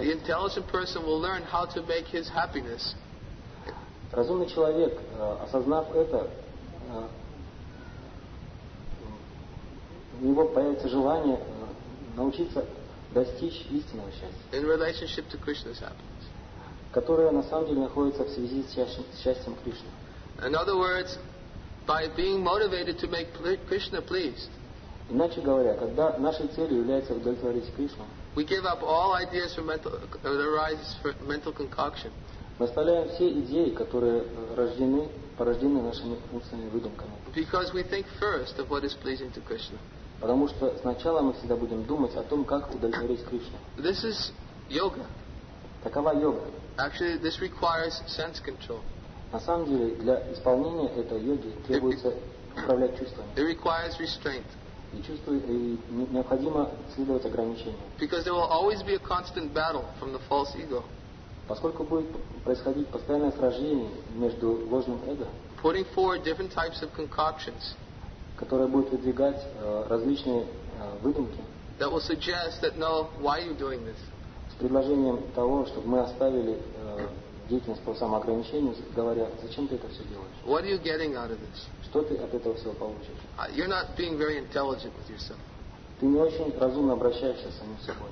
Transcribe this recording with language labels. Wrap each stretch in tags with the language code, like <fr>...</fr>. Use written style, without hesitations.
<en>The intelligent person will learn how to make his happiness.</en> <ru>Разумный человек, осознав это, у него появится желание научиться достичь истинного счастья.</ru> <en>In relationship to Krishna's happiness.</en> <ru>Которое на самом деле находится в связи с счастьем Кришны.</ru> <en>In other words, by being motivated to make Krishna pleased.</en> <ru>Иначе говоря, когда нашей целью является удовлетворить Кришну,</ru> <en>we give up all ideas for mental, that arises for mental concoction.</en> <ru>Мы оставляем все идеи, которые рождены, порождены нашими умственными выдумками.</ru> <en>Because we think first of what is pleasing to Krishna.</en> <ru>Потому что сначала мы всегда будем думать о том, как удовлетворить Кришну.</ru> <en>This is yoga.</en> <ru>Такова йога.</ru> <en>Actually, this requires sense control.</en> <ru>На самом деле, для исполнения этой йоги требуется управлять чувствами.</ru> <en>It requires restraint.</en> <ru>И чувствовать, и необходимо следовать ограничениям.</ru> <en>Because there will always be a constant battle from the false ego.</en> <ru>Поскольку будет происходить постоянное сражение между ложным эго,</ru> <en>putting forward different types of concoctions,</en> <ru>которое будет выдвигать различные выдумки,</ru> <en>that will suggest that no, why are you doing this?</en> <ru>С предложением того, чтобы мы оставили деятельность по самоограничению, говоря, зачем ты это все делаешь?</ru> <en>What are you getting out of this?</en> <ru>Что ты от этого всего получишь?</ru> <en>You're not being very intelligent with yourself.</en> <ru>Ты не очень разумно обращаешься с самим собой.</ru>